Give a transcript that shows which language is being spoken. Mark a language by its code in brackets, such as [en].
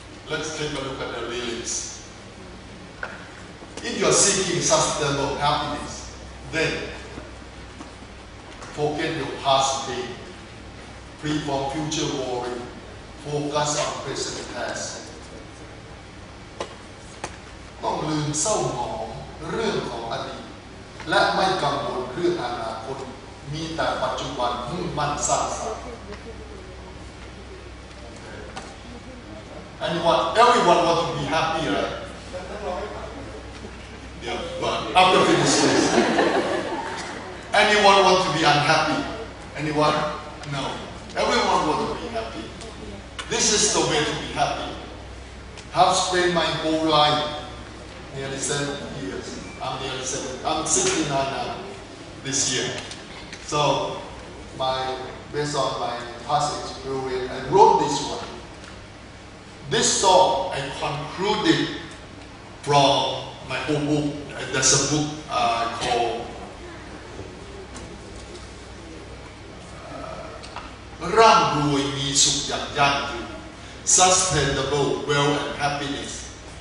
[en] Let's take a look at the lyrics. If you are seeking sustainable happiness, then forget your past pain, free from future worry, focus on present past. Don't lose sight of [th] เรื่องของอดีตและไม่กังวลเรื่องอนาคตมีแต่ปัจจุบันมุ่งมั่นสร้างสรรค์ [en] Anyone everyone want to be happy right yeah but after finish this anyone want to be unhappy anyone no everyone want to be happy this is the way to be happy have spent my whole lifeNearly 7 years. I'm 69 now this year. So based on my past experience, I wrote this one. This song I concluded from my old book. There's a book called Rang Rui Mi Suk Yang Yang Yu, Sustainable Wealth and Happiness.